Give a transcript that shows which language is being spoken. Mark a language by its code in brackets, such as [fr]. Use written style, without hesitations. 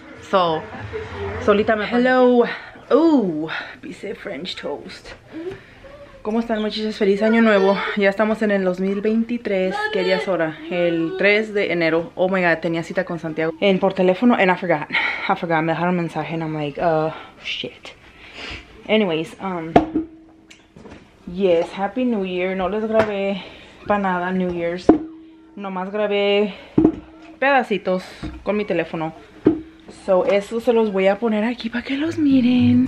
[es] So, solita me... [en] Hello. [es] Pisé [en] French toast. [es] ¿Cómo están, muchachos? Feliz año nuevo. Ya estamos en el 2023. ¿Qué día es ahora? El 3 de enero. [en] Oh my god, [es] tenía cita con Santiago. En por teléfono. [en] And I forgot. [es] Me dejaron mensaje. [en] And I'm like, shit. Anyways, yes, happy new year. [es] No les grabé para nada [en] new year's. [es] Nomás grabé pedacitos con mi teléfono. So, eso se los voy a poner aquí para que los miren.